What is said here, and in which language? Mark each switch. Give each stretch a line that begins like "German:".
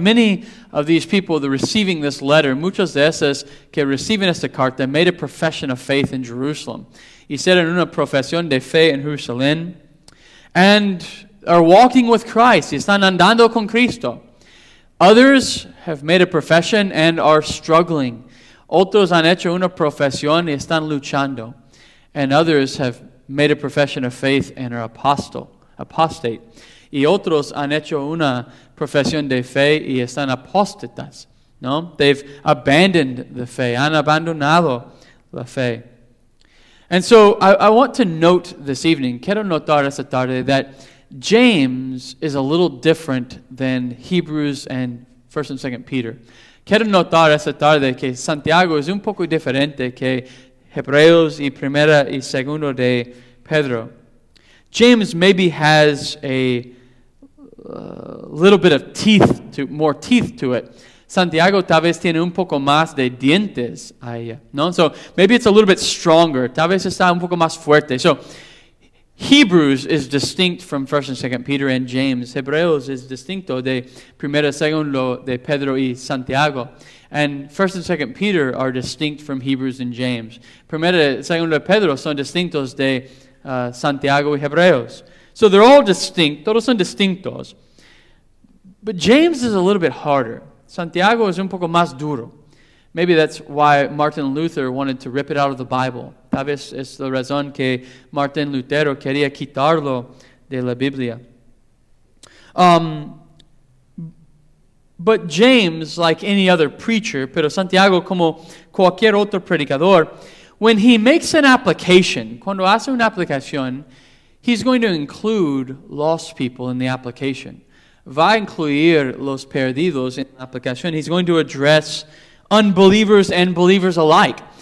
English: Many of these people that are receiving this letter,
Spanish: muchos de esos que reciben esta carta,
English: made a profession of faith in Jerusalem.
Spanish: Hicieron una profesión de fe en Jerusalén.
English: And are walking with Christ.
Spanish: Están andando con Cristo.
English: Others have made a profession and are struggling.
Spanish: Otros han hecho una profesión y están luchando.
English: And others have made a profession of faith and are apostate.
Spanish: Y otros han hecho una profesión de fe y están apostatas. No?
English: They've abandoned the fe.
Spanish: Han abandonado la fe.
English: And so I want to note this evening,
Spanish: quiero notar esta tarde,
English: that James is a little different than Hebrews and 1st and 2nd Peter.
Spanish: Quiero notar esta tarde que Santiago es un poco diferente que Hebreos y 1 y 2 de Pedro.
English: James maybe has a little bit of more teeth to it.
Spanish: Santiago tal vez tiene un poco más de dientes ahí, ¿no?
English: So, maybe it's a little bit stronger.
Spanish: Tal vez está un poco más fuerte.
English: So, Hebrews is distinct from 1 and 2 Peter and James.
Spanish: Hebreos is distinto de 1 y 2 de Pedro y Santiago.
English: And 1 and 2 Peter are distinct from Hebrews and James.
Spanish: 1 y 2 de Pedro son distintos de Santiago y Hebreos.
English: So, they're all distinct.
Spanish: Todos son distintos.
English: But James is a little bit harder.
Spanish: Santiago is un poco más duro.
English: Maybe that's why Martin Luther wanted to rip it out of the Bible.
Spanish: Tal vez es la razón que Martin Lutero quería quitarlo de la Biblia.
English: But James, like any other preacher,
Spanish: pero Santiago como cualquier otro predicador,
English: when he makes an application,
Spanish: cuando hace una aplicación,
English: he's going to include lost people in the application.
Spanish: Va a incluir los perdidos en la aplicación.
English: He's going to address unbelievers and believers alike.